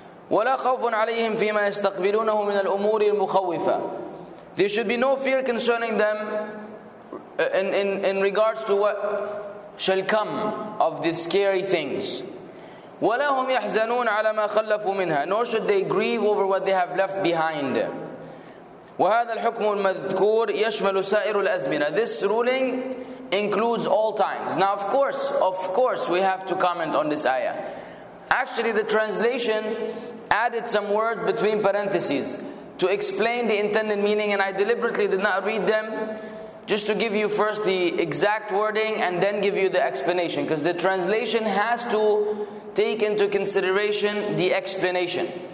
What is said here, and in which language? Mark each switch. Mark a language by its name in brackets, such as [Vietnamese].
[Arabic] وَلَا خَوْفٌ عَلَيْهِمْ فِيمَا يَسْتَقْبِلُونَهُ مِنَ الْأُمُورِ الْمُخَوِّفَةِ. [English] There should be no fear concerning them in regards to what shall come of the scary things. [Arabic] وَلَا هُمْ يَحْزَنُونَ عَلَى مَا خَلَّفُوا مِنْهَا. [English] Nor should they grieve over what they have left behind. [Arabic] وهذا الحكم المذكور يشمل سائر الأزمنة. [English] This ruling includes all times. Now, of course, we have to comment on this ayah. Actually, the translation added some words between parentheses to explain the intended meaning, and I deliberately did not read them, just to give you first the exact wording and then give you the explanation, because the translation has to take into consideration the explanation.